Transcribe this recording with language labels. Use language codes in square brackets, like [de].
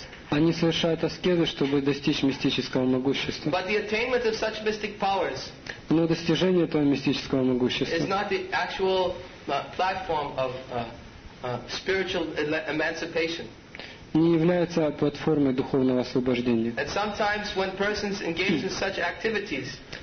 [ru] Они совершают аскезы, чтобы достичь мистического могущества. [en] But the attainment of such mystic powers, [ru] но достижение этого мистического могущества [en] is not the actual platform of spiritual emancipation. [ru] Не является платформой духовного освобождения. [en] And sometimes when persons engage in such activities,